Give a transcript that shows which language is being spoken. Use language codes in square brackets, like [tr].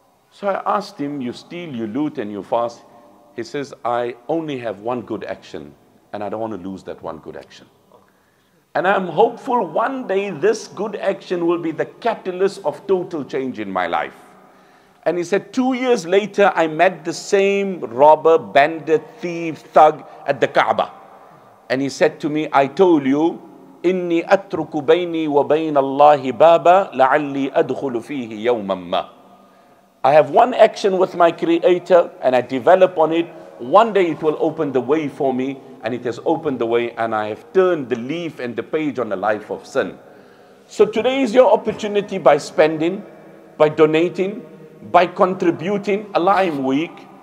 [en] So I asked him, you steal, you loot, and you fast. He says, I only have one good action, and I don't want to lose that one good action. And I'm hopeful one day this good action will be the catalyst of total change in my life. And he said, 2 years later, I met the same robber, bandit, thief, thug at the Kaaba. And he said to me, I told you, [ar] إني أترك بيني وبين الله بابا لعلي أدخل فيه يوما ما. [en] I have one action with my creator and I develop on it. One day it will open the way for me, and it has opened the way, and I have turned the leaf and the page on the life of sin. So today is your opportunity by spending, by donating, by contributing. Allah, I'm weak.